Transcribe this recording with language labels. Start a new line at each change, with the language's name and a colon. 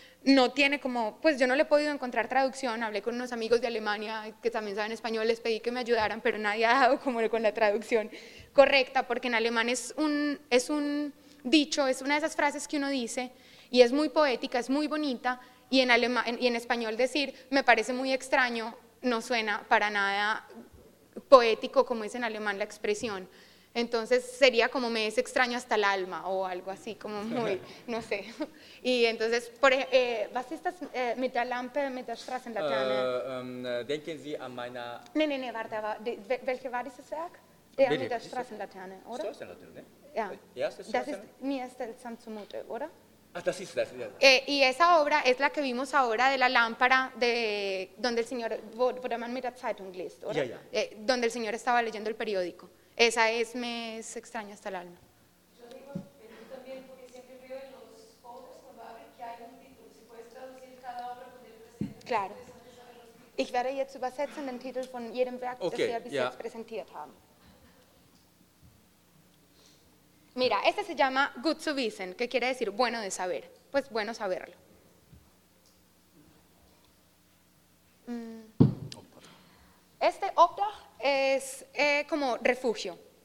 Spanish: no tiene como, pues yo no le he podido encontrar traducción, hablé con unos amigos de Alemania que también saben español, les pedí que me ayudaran, pero nadie ha dado como con la traducción correcta, porque en alemán es un dicho, es una de esas frases que uno dice y es muy poética, es muy bonita, y en español decir me parece muy extraño no suena para nada poético como es en alemán la expresión. Entonces sería como me es extraño hasta el alma o algo así, como muy, no sé. Y entonces, por ejemplo,
German: ¿was ist das mit der Lampe, mit der Straßenlaterne? Denken Sie an meiner... Nee, warte, welche war dieses Werk? Mit der Straßenlaterne, oder? Straßenlaterne? Ja. Das ist mir seltsam zumute, oder? Ah, das ist das, ja.
Spanish: Y esa obra es la que vimos ahora de la lámpara de donde el señor,
German: wo der Mann mit der Zeitung liest, oder? Ja, ja.
Spanish: Donde el señor estaba leyendo el periódico. Esa es, me es extraña hasta el alma. Yo digo, pero yo también, porque siempre veo en los otros cuando abren que hay un título, si puedes traducir cada obra con el presente. Claro.
German: Ich werde jetzt übersetzen den Titel von jedem Werk, okay, das wir bis jetzt präsentiert haben.
Spanish: Mira, este se llama
German: Gut zu wissen,
Spanish: que quiere decir bueno de saber. Pues bueno saberlo. Este Obdach es como refugio.